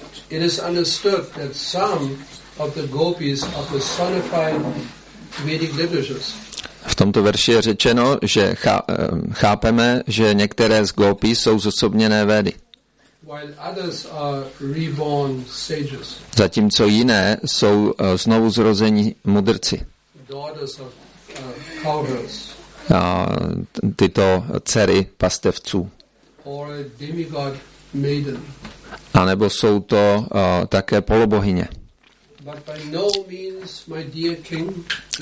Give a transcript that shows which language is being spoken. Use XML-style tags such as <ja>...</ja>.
<en>It is understood that some of the gopis are personified Vedic literatures.</en> <cs>V tomto verši je řečeno, že chápeme, že některé z gopí jsou zosobněné vedy.</cs> <en>While others are reborn sages.</en> <cs>Zatímco jiné jsou znovu zrození mudrci.</cs> <en>Daughters of cowherds.</en> <cs>A tyto dcery pastevců.</cs> <en>Or a demigod maiden.</en> <cs>A nebo jsou to také polobohyně.</cs> <en>But by no means, my dear king,</en>